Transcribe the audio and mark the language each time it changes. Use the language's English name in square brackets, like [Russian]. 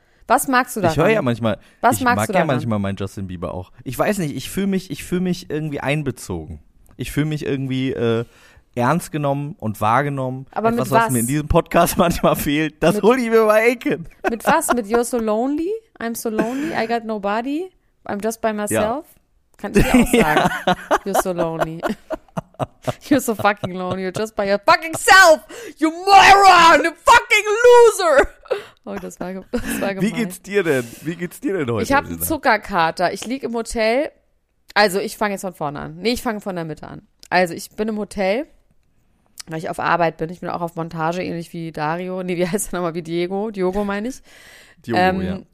[German] Was magst du da? Ich höre ja manchmal, was ich magst mag du daran? Ja manchmal meinen Justin Bieber auch. Ich weiß nicht, ich fühle mich irgendwie einbezogen. Ich fühle mich irgendwie ernst genommen und wahrgenommen. Aber etwas, mit was? Was mir in diesem Podcast manchmal fehlt, das hole ich mir bei Aiken. Mit was? Mit You're So Lonely? [English] I'm so lonely, I got nobody, I'm just by myself. [German] Ja. Kann ich auch sagen. [English] You're so lonely. You're so fucking lonely, you're just by your fucking self, you moron, you fucking loser. [German] Oh, das war gemein. Wie geht's dir denn? Wie geht's dir denn heute? Ich habe einen Zuckerkater. Ich liege im Hotel. Also, ich fange jetzt von vorne an. Nee, ich fange von der Mitte an. Also, ich bin im Hotel, weil ich auf Arbeit bin. Ich bin auch auf Montage, ähnlich wie Dario. Nee, wie heißt er nochmal? Wie Diego? Diogo meine ich. Diogo,